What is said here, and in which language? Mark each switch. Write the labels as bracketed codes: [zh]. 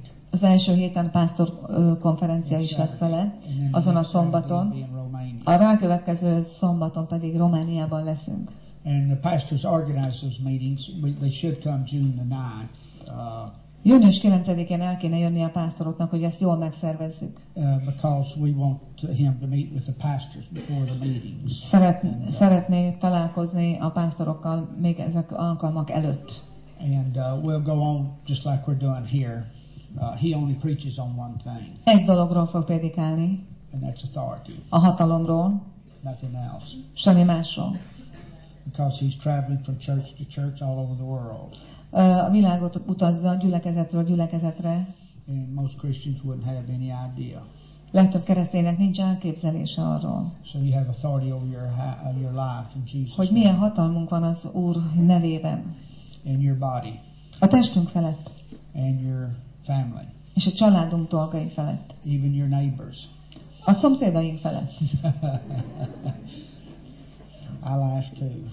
[hu] Az első héten pásztor konferencia is lesz vele, azon a szombaton. A rákövetkező szombaton pedig Romániában leszünk. [en] And the pastors organize those meetings. They should come June the 9th. [hu] Június 9-én el kéne jönni a pásztoroknak, hogy ezt jól megszervezzük. [en] Because we want him to meet with the pastors before the meetings. [hu] Szeretné találkozni a pásztorokkal még ezek alkalmak előtt. [en] And we'll go on just like we're doing here. He only preaches on one thing. [hu] Egy dologról fog prédikálni. [en] And that's authority. [hu] A hatalomról. [en] Nothing else. [hu] Semmi másról. [en] Because he's traveling from church to church all over the world. [hu] A világot utazza gyülekezetről gyülekezetre. [en] And most Christians wouldn't have any idea. [hu] Legtöbb kereszténynek nincs elképzelése arról. [en] So you have authority over your life in Jesus. [hu] Hogy milyen hatalmunk van az Úr nevében. [en] In your body. [hu] A testünk felett. [en] And your family. [hu] És a családunk dolgai felett. [en] Even your neighbors. [hu] A szomszédaink felett. [en] I laugh too.